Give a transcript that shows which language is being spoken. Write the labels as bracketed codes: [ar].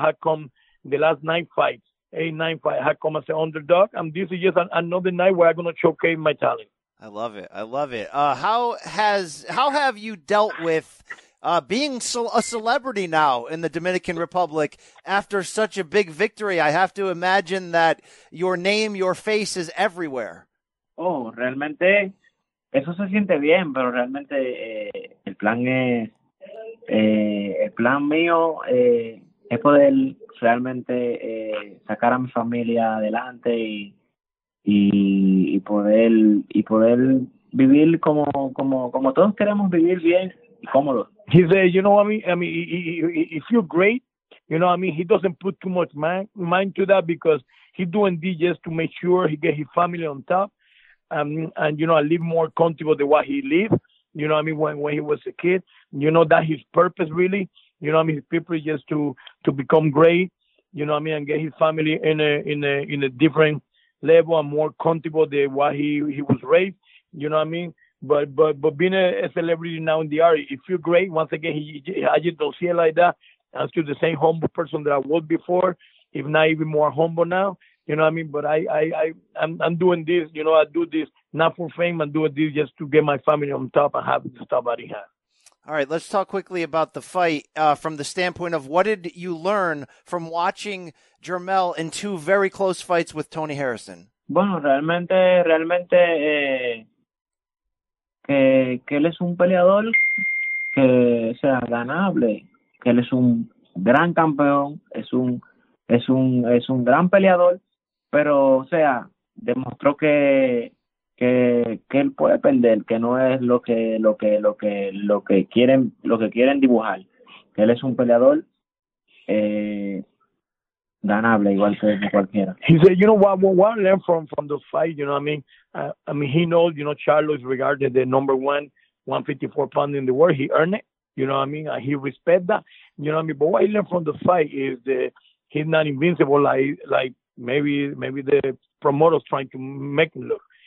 [en] How come the last nine fights, 8-9-5, I come as an underdog, and this is just another night where I'm going to showcase my talent. I love it. I love it. How have you dealt with being a celebrity now in the Dominican Republic after such a big victory? I have to imagine that your name, your face is everywhere. [es] Oh, realmente, eso se siente bien, pero realmente el plan es, el plan mío es poder realmente... sacar a mi familia adelante y poder vivir como todos queremos vivir bien y cómodo. [en] He says, you know what I mean? I mean, he feel great. You know what I mean? He doesn't put too much mind to that because he's doing DJs to make sure he get his family on top. And you know, I live more comfortable than what he live. You know what I mean? When he was a kid, you know, that his purpose really, you know what I mean? His people just to become great, you know what I mean? And get his family in a different level and more comfortable than what he was raised. You know what I mean? But being a celebrity now in the area, it feels great. Once again, I just don't see it like that. I'm still the same humble person that I was before, if not even more humble now. You know what I mean? But I'm doing this. You know, I do this not for fame. I'm doing this just to get my family on top and have the stuff that he has. All right, let's talk quickly about the fight from the standpoint of what did you learn from watching Jermell in two very close fights with Tony Harrison? [es] Bueno, realmente que él es un peleador que sea ganable, que él es un gran campeón, es un gran peleador, pero o sea, demostró que él puede perder, que no es lo que quieren dibujar, que él es un peleador ganable igual que cualquiera. [en] He said, you know what I learned from the fight, you know what I mean? I mean he knows, you know, Charlo is regarded the number one 154 pound in the world. He earned it, you know what I mean? He respect that, you know what I mean? But what I learned from the fight is that he's not invincible like maybe the promoter's trying to make him look.